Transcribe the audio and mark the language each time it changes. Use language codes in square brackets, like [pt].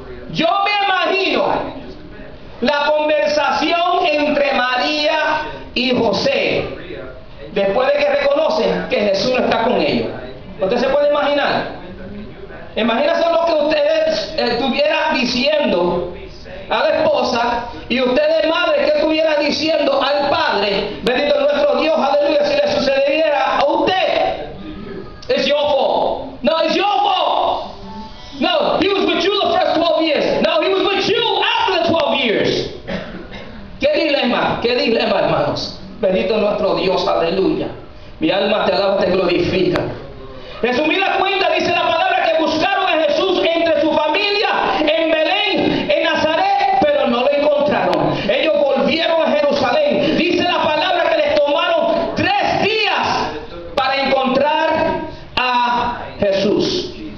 [es] Yo me imagino la conversación entre María y José, después de que reconoce que Jesús no está con ellos. ¿Usted se puede imaginar? Imagínese lo que ustedes estuviera diciendo a la esposa, y ustedes madres, que estuviera diciendo al padre, bendito nuestro Dios, aleluya, si le sucediera a usted. [en] It's your fault. No, it's your fault. No, he was with you the first 12 years. No, he was with you after the 12 years. [es] Qué dilema, hermanos. Bendito nuestro Dios, aleluya. Mi alma te alaba, te glorifica. Resumida cuenta, dice la palabra que buscaron a Jesús entre su familia, en Belén, en Nazaret, pero no lo encontraron. Ellos volvieron a Jerusalén. Dice la palabra que les tomaron 3 días para encontrar a Jesús.